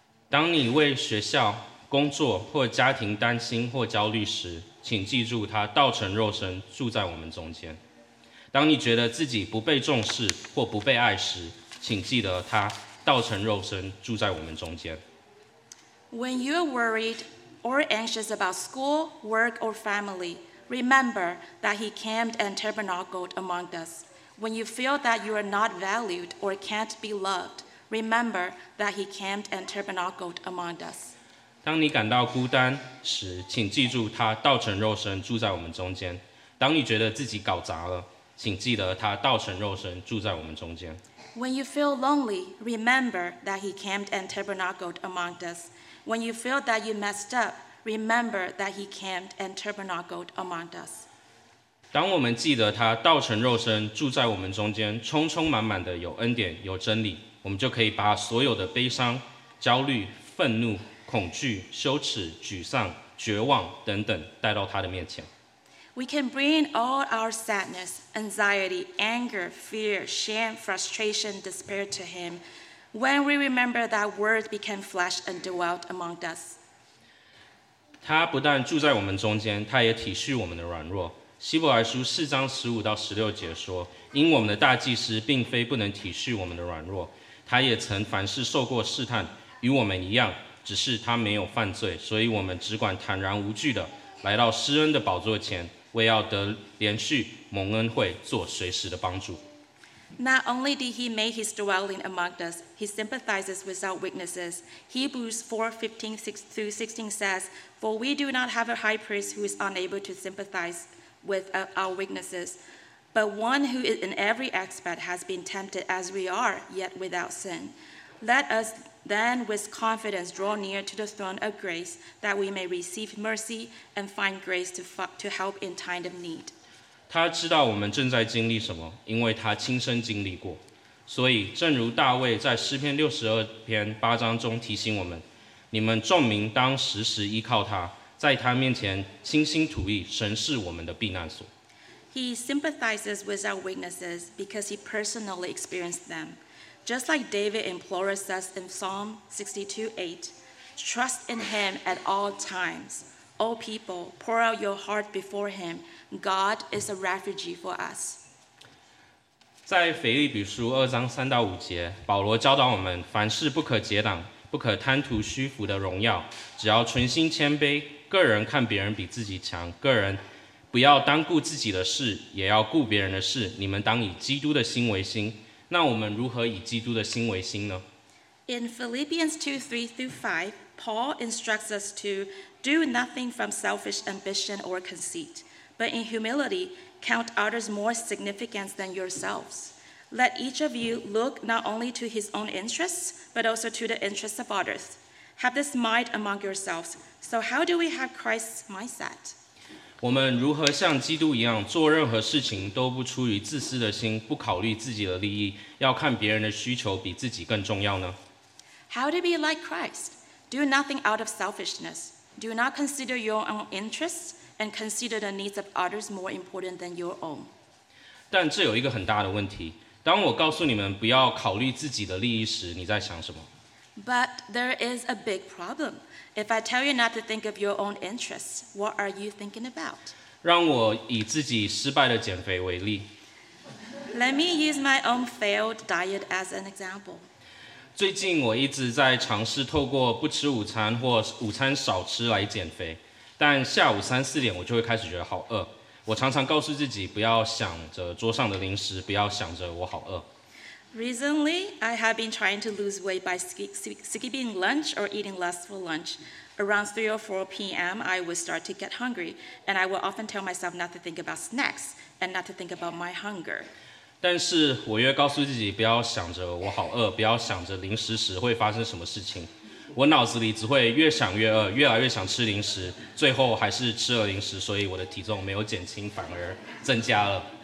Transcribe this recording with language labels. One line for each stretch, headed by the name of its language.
Chinese: 当你为学校、工作或家庭担心或焦虑时，请记住他道成肉身住在我们中间。当你觉得自己不被重视或不被爱时，请记得他道成肉身住在我们中间。
English: When you are worried or anxious about school, work, or family, remember that he came and tabernacled among us. When you feel that you are not valued or can't be loved, remember that he came and tabernacled among us.
Chinese: 当你感到孤单时，请记住他道成肉身住在我们中间。当你觉得自己搞砸了，请记得他道成肉身住在我们中间。
English: When you feel lonely, remember that he came and tabernacled among us. When you feel that you messed up, remember that he came and tabernacled among us.
Chinese: 当我们记得他道成肉身住在我们中间，充充满满的有恩典，有真理，我们就可以把所有的悲伤、焦虑、愤怒、恐惧、羞耻、沮丧、绝望等等带到他的面前。
English: We can bring all our sadness, anxiety, anger, fear, shame, frustration, despair to him when we remember that word became flesh and dwelt among us.
Chinese: 他不但住在我们中间，他也体恤我们的软弱。希伯来书四章十五到十六节说，因我们的大祭司并非不能体恤我们的软弱，他也曾凡事受过试探，与我们一样，只是他没有犯罪，所以我们只管坦然无惧的来到施恩的宝座前，为要得连续蒙恩惠，做随时的帮助。
English: Not only did he make his dwelling among us, he sympathizes with our weaknesses. Hebrews 4:15-16 says, "For we do not have a high priest who is unable to sympathize with our weaknesses, but one who is in every aspect has been tempted as we are, yet without sin. Let us then with confidence draw near to the throne of grace that we may receive mercy and find grace to help in time of need."
Chinese: 他知道我们正在经历什么，因为他亲身经历过。所以正如大卫在诗篇62篇8章中提醒我们，你们众民当时时依靠他，在他面前倾心吐意，神是我们的避难所。
English: He sympathizes with our weaknesses because he personally experienced them. Just like David implores us in Psalm 62:8, trust in him at all times. O people, pour out your heart before him. God is a refugee for us.
Chinese: 在腓立比书二章三到五节，保罗教导我们，凡事不可结党，不可贪图虚浮的荣耀，只要存心谦卑，个人看别人比自己强，个人不要单顾自己的事，也要顾别人的事。你们当以基督的心为心。那我们如何以基督的心为心呢？
English: In Philippians 2:3-5, Paul instructs us to do nothing from selfish ambition or conceit, but in humility, count others more significant than yourselves. Let each of you look not only to his own interests, but also to the interests of others. Have this mind among yourselves. So how do we have Christ's mindset?
Chinese: 我们如何像基督一样做任何事情都不出于自私的心，不考虑自己的利益，要看别人的需求比自己更重要呢？
English: How to be like Christ? Do nothing out of selfishness. Do not consider your own interests and consider the needs of others more important than your own.
Chinese: 但这有一个很大的问题，当我告诉你们不要考虑自己的利益时，你在想什么？
English: But there is a big problem. If I tell you not to think of your own interests, what are you thinking about?
Chinese: 让我以自己失败的减肥为例。
English: Let me use my own failed diet as an example.
Chinese: 最近我一直在尝试透过不吃午餐或午餐少吃来减肥，但下午三四点我就会开始觉得好饿。我常常告诉自己不要想着桌上的零食，不要想着我好饿。
English: Recently, I have been trying to lose weight by skipping lunch or eating less for lunch. Around 3 or 4 p.m., I would start to get hungry, and I would often tell myself not to think about snacks and not to think about my hunger.
Chinese: 但是我越告诉自己不要想着我好饿，不要想着零食时会发生什么事情，我脑子里只会越想越饿，越来越想吃零食，最后还是吃了零食，所以我的体重没有减轻，反而增加了。